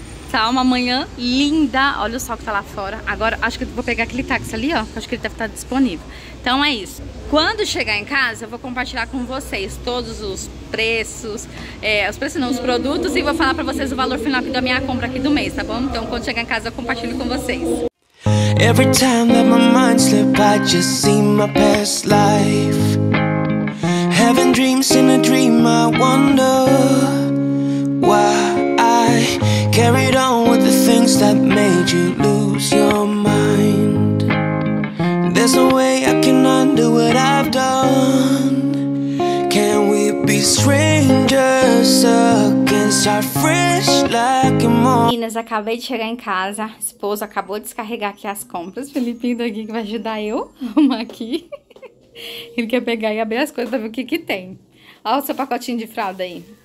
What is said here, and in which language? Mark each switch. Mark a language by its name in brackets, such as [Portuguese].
[Portuguese] Tá uma manhã linda, olha o sol que tá lá fora. Agora, acho que eu vou pegar aquele táxi ali, ó. Acho que ele deve estar disponível. Então é isso. Quando chegar em casa, eu vou compartilhar com vocês todos os preços, os preços não, os produtos. E vou falar pra vocês o valor final da minha compra aqui do mês, tá bom? Então quando chegar em casa, eu compartilho com vocês. [English] Every time that my mind slips, I just see my past life. Having dreams in a dream, I wonder why I carried on with the things that made you lose your mind. There's no way I can undo what I've done. Can we be strangers again, start fresh like a morning? [Portuguese] Meninas, acabei de chegar em casa. O esposo acabou de descarregar aqui as compras. Felipinho daqui que vai ajudar eu a arrumar aqui. Ele quer pegar e abrir as coisas pra ver o que que tem. Olha o seu pacotinho de fralda aí.